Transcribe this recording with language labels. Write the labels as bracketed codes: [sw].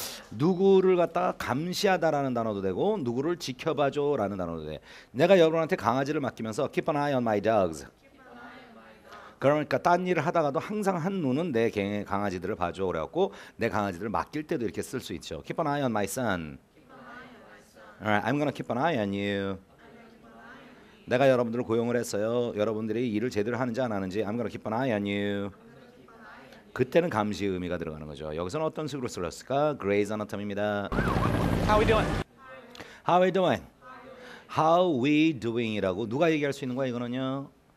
[ko] 누구를 갖다가 감시하다라는 단어도 되고 누구를 지켜봐줘라는 단어도 돼. 내가 여러분한테 강아지를 맡기면서 [en] keep an eye on my dogs. [ko] 그러니까 딴 일을 하다가도 항상 한 눈은 내 개의 강아지들을 봐줘. 그래갖고 내 강아지들을 맡길 때도 이렇게 쓸 수 있죠. [en] keep an eye on my son. Alright, I'm gonna keep an eye on you. [ko] 내가 여러분들을 고용을 했어요. 여러분들이 일을 제대로 하는지 안 하는지 [en] I'm gonna keep an eye on you. [ko] 그때는 감시의 의미가 들어가는 거죠. 여기서는 어떤 식으로 쓸었을까? Grey's Anatomy입니다. [en] How we doing? How we doing? How we doing이라고 [ko] 누가 얘기할 수 있는 거야? 이거는요.